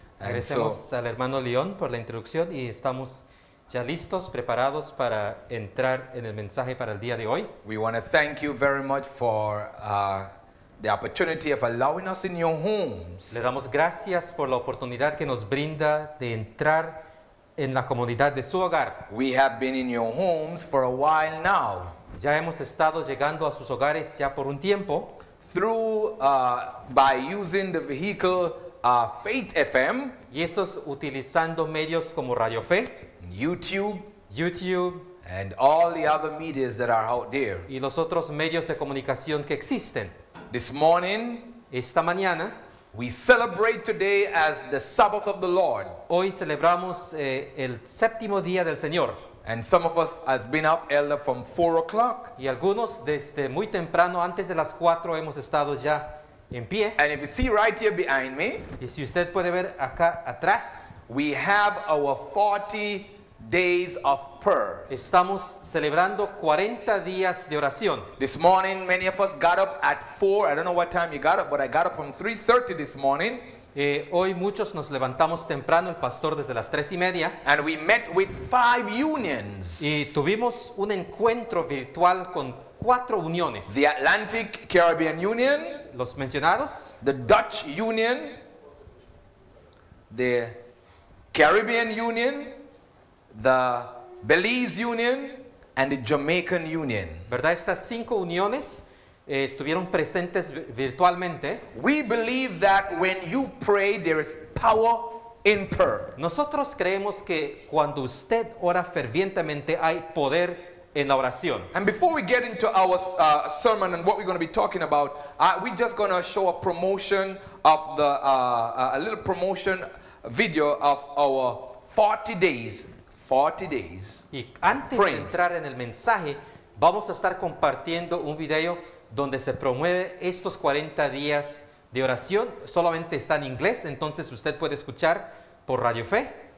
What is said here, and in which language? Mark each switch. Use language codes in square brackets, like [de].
[es] Agradecemos al hermano León por la introducción y estamos ya listos, preparados para entrar en el mensaje para el día de hoy. [en] We want to thank you very much for the opportunity of allowing us in your homes. [es] Le damos gracias por la oportunidad que nos brinda de entrar en la comunidad de su hogar. [en] We have been in your homes for a while now. [es] Ya hemos estado llegando a sus hogares ya por un tiempo. [en] Through by using the vehicle Faith FM. [es] Y eso es utilizando medios como Radio Fe. [en] YouTube. And all the other medias that are out there. [es] Y los otros medios de comunicación que existen. [en] This morning. [es] Esta mañana. [en] We celebrate today as the Sabbath of the Lord. [es] Hoy celebramos el séptimo día del Señor. [en] And some of us has been up, Elder, from 4 o'clock. [es] Y algunos desde muy temprano, antes de las 4, hemos estado ya en pie. [en] And if you see right here behind me. [es] Y si usted puede ver acá atrás. [en] We have our 40 days of prayer. [es] Estamos celebrando 40 días de oración. [en] This morning, many of us got up at 4. I don't know what time you got up, but I got up from 3:30 this morning. [es] Hoy muchos nos levantamos temprano, el pastor desde las 3:30. [en] And we met with 5 unions. [es] Y tuvimos un encuentro virtual con 4 uniones. [en] The Atlantic Caribbean Union. [es] Los mencionados. [en] The Dutch Union. The Caribbean Union, the Belize Union, and the Jamaican Union. [es] ¿Verdad? Estas 5 uniones estuvieron presentes virtualmente. [en] We believe that when you pray, there is power in prayer. [es] Nosotros creemos que cuando usted ora fervientemente, hay poder en la oración. [en] And before we get into our sermon and what we're going to be talking about, we're just going to show a promotion of the, a little promotion video of our 40 days, 40 days. [es] Y antes de entrar en el mensaje, vamos a estar compartiendo un video donde se promueve estos 40 días de oración. Solamente está en inglés, entonces usted puede escuchar por Radio Fe.